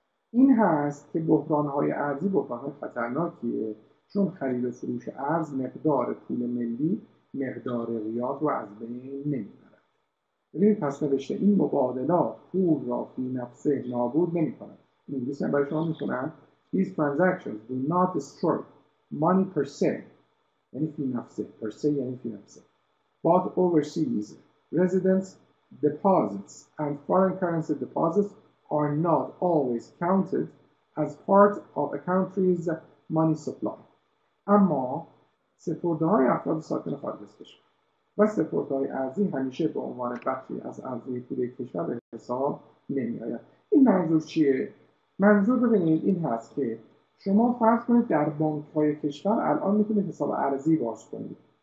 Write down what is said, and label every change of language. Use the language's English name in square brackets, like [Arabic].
[Persian] این هست که بحرانهای ارزی بحرانهای خطرناکیه، چون خرید و فروش ارز مقدار پول ملی، مقدار ریال رو از بین نمیبره. ببینید پس نوشته این مبادلات پول را فی نفسه نابود نمیکنند. انگلیسی هم برای شما میخونم: [English] These transactions do not destroy money per se. [Persian] یعنی فی نفسه. Per se یعنی فی نفسه. [English] But overseas residence deposits and foreign currency deposits are not always counted as part of a country's money supply. [Persian] اما سپرده های افراد ساکن خارج از کشور و سپرده های ارزی همیشه به عنوان بخشی از ارزی پولی کشور به حساب نمی آید. این منظور چیه؟ منظور ببینید این هست که شما فرض کنید در بانک های کشور الان میتونید حساب ارزی باز کنید.